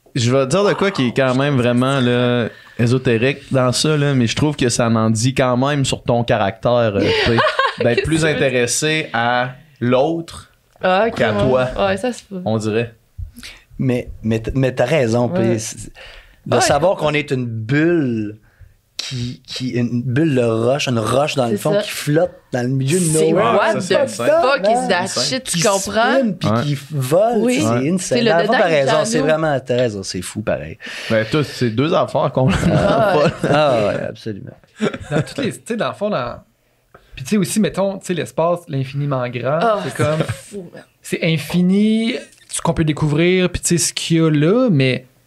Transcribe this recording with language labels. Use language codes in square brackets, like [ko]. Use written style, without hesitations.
[fr] je vais dire de quoi qui est quand même vraiment là, ésotérique dans ça, là, mais je trouve que ça m'en dit quand même sur ton caractère d'être plus intéressé à l'autre qu'à toi. Ouais, ça se fout. On dirait. Mais t'as raison. Ouais. Savoir qu'on est une bulle qui une bulle de roche, une roche dans c'est le fond ça. Qui flotte dans le milieu de nowhere. C'est [en] what the fuck is that shit, [fr] tu comprends? Qui spin, puis qui vole, oui. C'est insane. C'est le dedans, t'as raison, c'est vraiment intéressant, c'est fou pareil. Ben toi, c'est deux affaires qu'on n'a pas. Ah ouais, absolument. Dans toutes les, tu sais, dans le fond, puis tu sais aussi, mettons, tu sais, l'espace, l'infiniment grand, c'est comme, c'est infini, ce qu'on peut découvrir, puis tu sais, ce qu'il y a là, mais...